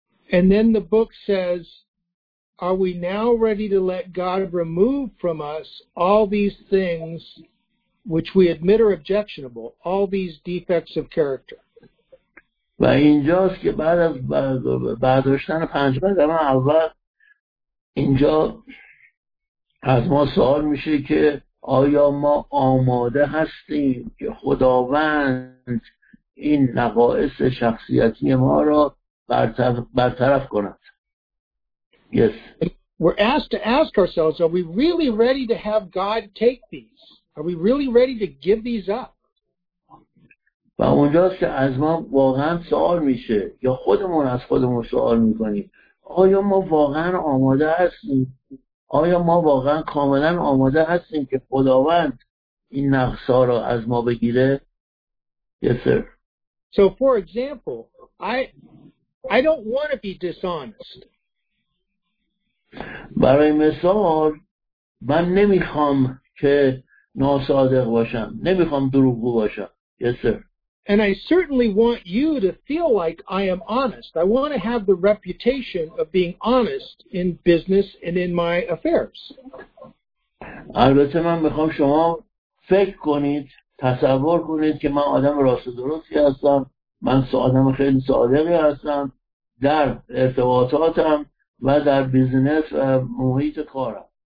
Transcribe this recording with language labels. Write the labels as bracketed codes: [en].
[en] And then the book says, are we now ready to let God remove from us all these things which we admit are objectionable, all these defects of character? [fa] و اینجاست که بعد از برداشتن پنج قدم اول اینجا از ما سوال میشه که آیا ما آماده هستیم که خداوند این نقایص شخصیتی ما را برطرف کند. [en] Yes. We're asked to ask ourselves, are we really ready to have God take these? Are we really ready to give these up? [fa] و اونجاست که از ما واقعا سوال میشه یا خودمون از خودمون سوال میکنیم آیا ما واقعا آماده هستیم؟ آیا ما واقعا کاملا آماده هستیم که خداوند این نقصا را از ما بگیره؟ [en] Yes, sir. So for example, I don't want to be dishonest. [fa] برای مثال من نمیخوام که ناصادق باشم. نمیخوام دروغگو باشم. [en] Yes, sir. And I certainly want you to feel like I am honest. I want to have the reputation of being honest in business and in my affairs. [fa] البته من میخوام شما فکر کنید، تصور کنید که من آدم راست و درستی هستم. من آدم خیلی صادقی هستم در ارتباطاتم و در بیزنس و محیط کارم.